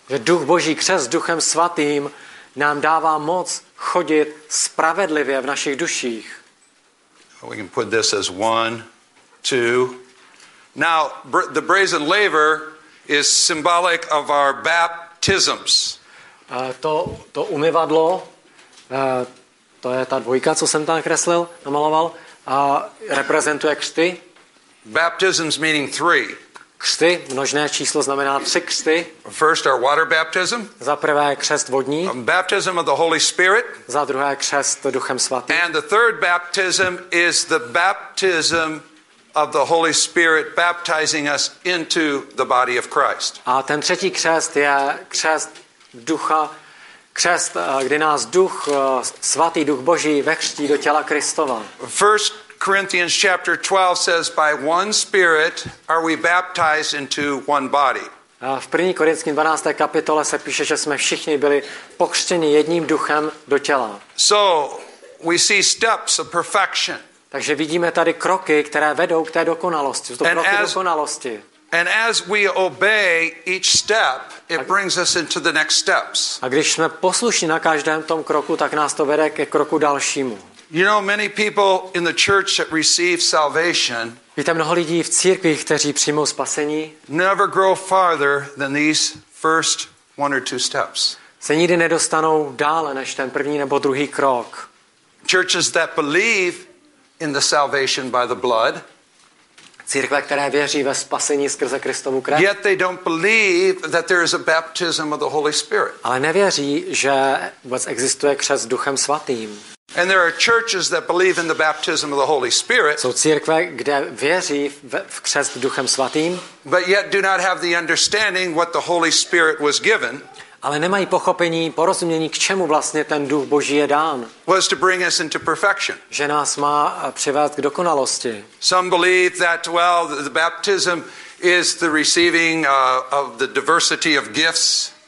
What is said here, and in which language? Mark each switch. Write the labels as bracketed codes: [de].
[cs] Že duch Boží, křest duchem svatým nám dává moc chodit spravedlivě v našich duších. [en] We can put this as 1, 2. Now the brazen laver is symbolic of our baptism. [cs] To umyvadlo, to je ta dvojka, co jsem tam kreslil, namaloval, a reprezentuje křty. [en] Baptisms meaning three. [cs] Křty, množné číslo znamená tři křty. [en] First our water baptism. [cs] Za prvé křest vodní. [en] Baptism of the Holy Spirit. [cs] Za druhé křest Duchem svatým. [en] And the third baptism is the baptism of the Holy Spirit baptizing us into the body of Christ. [cs] A ten třetí křest je křest ducha, křest, kdy nás duch, svatý duch Boží vekřtí do těla Kristova. [en] 1 Corinthians chapter 12 says, by one spirit are we baptized into one body. [cs] V 1. Korinským 12. kapitole se píše, že jsme všichni byli pokřtěni jedním duchem do těla. [en] So, we see steps of perfection. [cs] Takže vidíme tady kroky, které vedou k té dokonalosti. To kroky dokonalosti. [en] And as we obey each step, it brings us into the next steps. [cs] A když jsme poslušní na každém tom kroku, tak nás to vede ke kroku dalšímu. [en] You know, many people in the church that receive salvation. [cs] Víte, mnoho lidí v církvi, kteří přijmou spasení, [en] never grow farther than these first one or two steps. [cs] Se nikdy nedostanou dále než ten první nebo druhý krok. [en] Churches that believe in the salvation by the blood. [cs] Církve, které věří ve spasení skrze Kristovu krev. [en] Yet they don't believe that there is a baptism of the Holy Spirit. [cs] Ale nevěří, že vůbec existuje křest Duchem svatým. [en] And there are churches that believe in the baptism of the Holy Spirit. [cs] Jsou církve, kde věří v křest Duchem svatým. [en] But yet do not have the understanding what the Holy Spirit was given. [cs] Ale nemají pochopení, porozumění, k čemu vlastně ten Duch Boží je dán. [en] Was to bring us into perfection. [cs] Že nás má přivést k dokonalosti. [en] Some believe that well the baptism is the receiving of the diversity of gifts.